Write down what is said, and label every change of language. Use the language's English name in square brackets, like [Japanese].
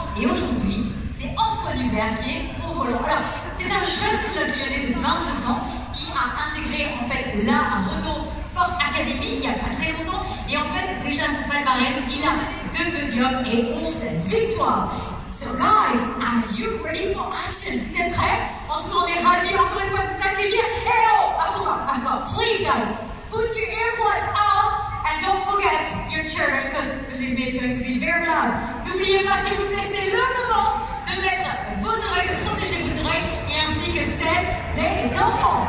[French] Et aujourd'hui, c'est Antoine Hubert qui est au volant. Alors, c'est un jeune pilote lyonnais de 22 ans qui a intégré en fait la Renault Sport Academy il n'y a pas très longtemps. Et en fait, déjà son palmarès, il a 2 podiums et 11 victoires. [English] So guys, are you ready for action? [French] Vous êtes prêts? En tout cas, on est ravis encore une fois de vous accueillir. [English] Hey oh, avant, please guys, put your earplugs on and don't forget your chair because believe me, it's going to be very loud. [French] N'oubliez pas, s'il vous plaît, c'est le moment de mettre vos oreilles, de protéger vos oreilles et ainsi que celles des enfants.